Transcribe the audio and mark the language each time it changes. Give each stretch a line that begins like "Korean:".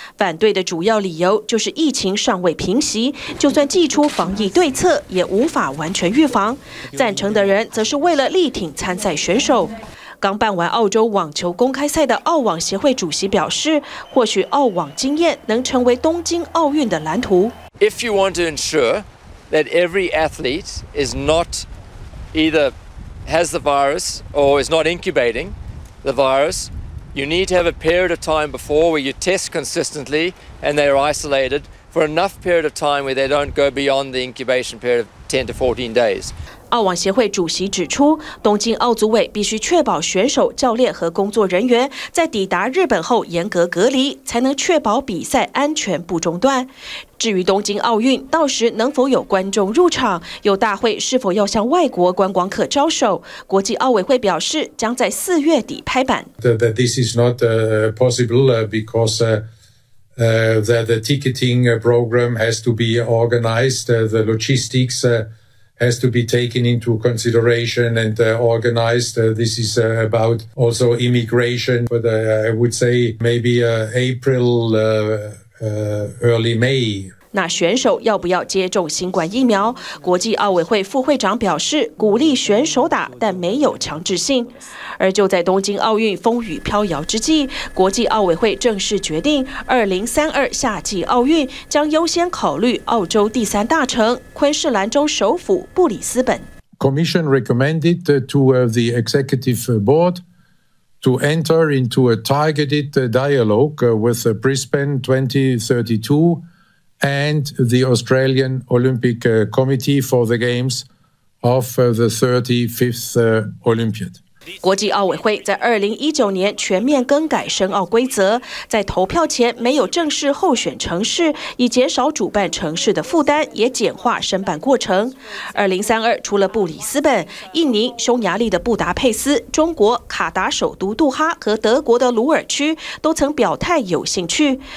Chinese: 反对的主要理由就是疫情尚未平息，就算祭出防疫对策，也无法完全预防。赞成的人则是为了力挺参赛选手。刚办完澳洲网球公开赛的澳网协会主席表示，或许澳网经验能成为东京奥运的蓝图。
English: If you want to ensure. That every athlete is not either has the virus or is not incubating the virus, you need to have a period of time before where you test consistently and they are isolated for enough period of time where they don't go beyond the incubation period of 10 to 14 days.
Chinese: 澳网协会主席指出，东京奥组委必须确保选手、教练和工作人员在抵达日本后严格隔离，才能确保比赛安全不中断。至于东京奥运到时能否有观众入场，有大会是否要向外国观光客招手，国际奥委会表示将在4月底拍板。
English: That this is not possible because the ticketing program has to be organized, the logistics. Has to be taken into consideration and organized. This is about also immigration, but I would say maybe April, early May.
Chinese: 那选手要不要接种新冠疫苗？国际奥委会副会长表示，鼓励选手打，但没有强制性。而就在东京奥运风雨飘摇之际，国际奥委会正式决定，2032夏季奥运将优先考虑澳洲第三大城昆士兰州首府布里斯本。
English: Commission recommended to the executive board to enter into a targeted dialogue with Brisbane 2032 and the Australian Olympic Committee for the Games of the 35th Olympiad.
Chinese: 国际奥委会在2019年全面更改申奥规则，在投票前没有正式候选城市，以减少主办城市的负担，也简化申办过程。 2032除了布里斯本、印尼、匈牙利的布达佩斯、中国卡达首都杜哈和德国的鲁尔区都曾表态有兴趣。